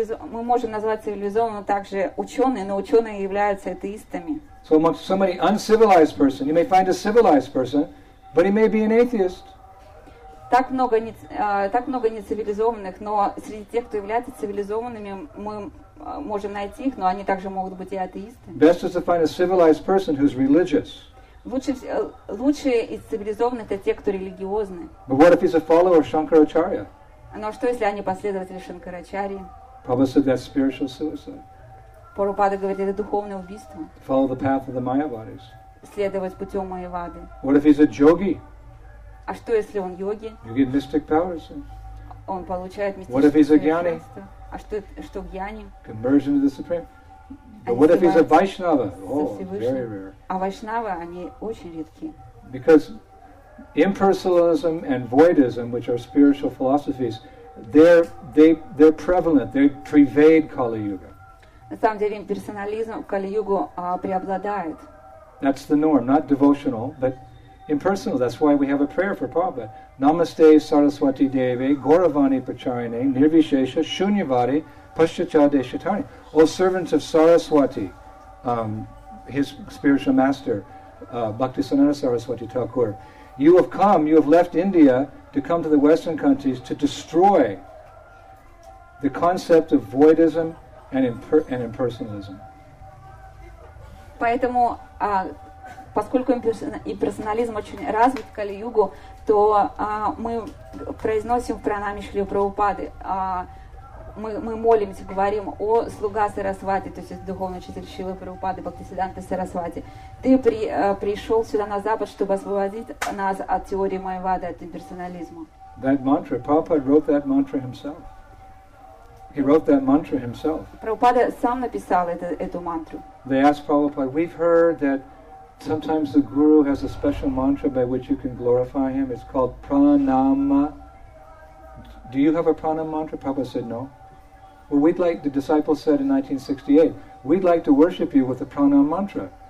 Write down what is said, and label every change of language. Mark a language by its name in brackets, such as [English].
[Russian] Мы можем назвать цивилизованным также ученые, но ученые являются атеистами. [English] So among so many uncivilized person, you may find a civilized person, but he may be an atheist. [Russian] Так много нецивилизованных, но среди тех, кто является цивилизованными, мы можем найти их, но они также могут быть и атеистами. [English] Best is to find a civilized person who's religious. [Russian] Лучшие из цивилизованных это те, кто религиозны. [English] But what if he's a follower of Shankaracharya? [Russian] Но что если они последователи Шанкарачарьи? [English] Prabhupada said that's spiritual suicide. [Russian] Прабхупада говорит это духовное убийство. [English] Follow the path of the Mayavadis. [Russian] Следовать путем Майявады. [English] What if he's a yogi? [Russian] А что если он йоги? [English] You get mystic powers. [Russian] Он получает мистическое совершенство. А что гьяни? [English] Conversion to the supreme. But what if he's a Vaishnava? Oh, very rare. [Russian] А вайшнавы они очень редки. [English] Because impersonalism and voidism, which are spiritual philosophies, they're prevalent. They pervade Kali Yuga. [Russian] На самом деле имперсонализм в Кали Югу преобладает. [English] That's the norm, not devotional, but impersonal. That's why we have a prayer for Prabhupada. [Sanskrit] Namaste Saraswati Devi Gauravani Pacharine Nirvishesha Shunyavadi Paschachade Shatani. [English] O servants of Saraswati, his spiritual master, Bhaktisanana Saraswati Thakur, you have come, you have left India to come to the Western countries to destroy the concept of voidism and impersonalism. [Russian] Поэтому, поскольку имперсонализм очень развит в Кали-Югу, то мы произносим в пранаме Шрилы Прабхупады, мы молимся, говорим о слуга Сарасвати, то есть духовный учитель Шрилы Прабхупады, Бхактисиддханта Сарасвати. Ты пришел сюда на Запад, чтобы освободить нас от теории Майявады, от имперсонализма. [English] That mantra, Prabhupada wrote that mantra himself. He wrote that mantra himself. [Russian] Прабхупада сам написал эту мантру. [English] They asked Prabhupada, we've heard that sometimes the guru has a special mantra by which you can glorify him. It's called pranama. Do you have a pranam mantra? Prabhupada said no. Well, we'd like, the disciples said in 1968, we'd like to worship you with a pranam mantra.